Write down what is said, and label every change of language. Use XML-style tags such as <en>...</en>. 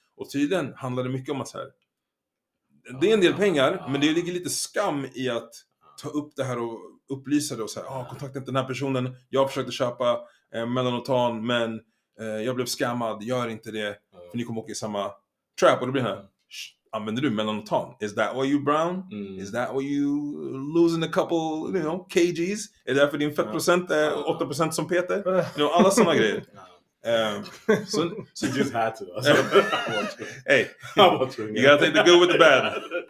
<sv>Och tydligen handlar det mycket om att så här, det är en del pengar, men det ligger lite skam i att ta upp det här och upplysa det och så här, kontakta inte den här personen. Jag försökte köpa melanotan, men jag blev scammad. Gör inte det, för ni kommer åka i samma trap. Och då blir det här, använder du melanotan?</sv> <en>Is that why you brown? Mm. Is that why you losing a couple, you know, kgs?</en> <sv>Är det därför din fettprocent är 8% som Peter?</sv> <en>You know,</en> <sv>alla såna grejer.</sv> <en>So, so you just had to. Hey, you gotta take the good with the bad.</en>